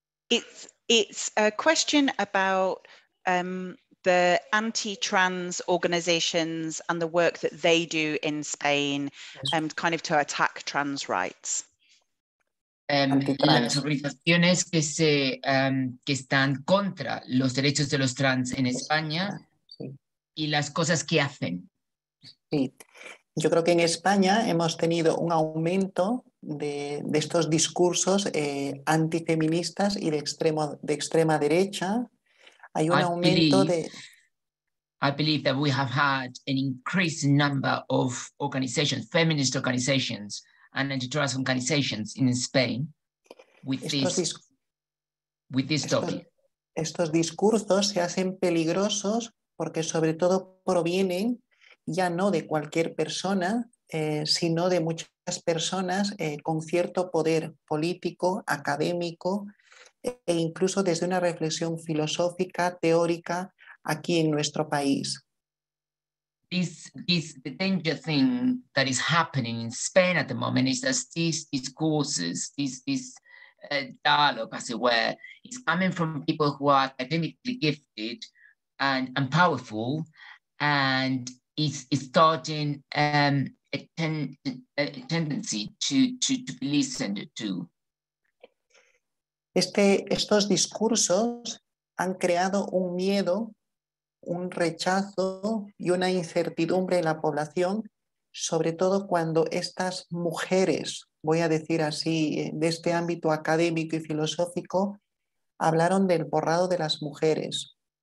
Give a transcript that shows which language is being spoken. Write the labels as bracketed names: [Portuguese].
[English] It's a question about the anti-trans organizations and the work that they do in Spain, kind of to attack trans rights. [Spanish] Las organizaciones que se que están contra los derechos de los trans en España, sí. Y las cosas que hacen. Sí, yo creo que en España hemos tenido un aumento de estos discursos antifeministas y de extrema derecha. Hay un [English] I believe that we have had an increased number of organizations, feminist organizations and anti-trans organizations in Spain with this topic. [Spanish] Estos discursos se hacen peligrosos porque sobre todo provienen ya no de cualquier persona, sino de muchas personas con cierto poder político, académico, e incluso desde una reflexión filosófica, teórica, aquí en nuestro país. [English] This the danger thing that is happening in Spain at the moment is that these discourses, this dialogue, as it were, is coming from people who are academically gifted and powerful, and it's starting a tendency to be listened to. [Spanish] Estos discursos han creado un miedo, un rechazo y una incertidumbre en la población, sobre todo cuando estas mujeres, voy a decir así, de este ámbito académico y filosófico, hablaron del borrado de las mujeres.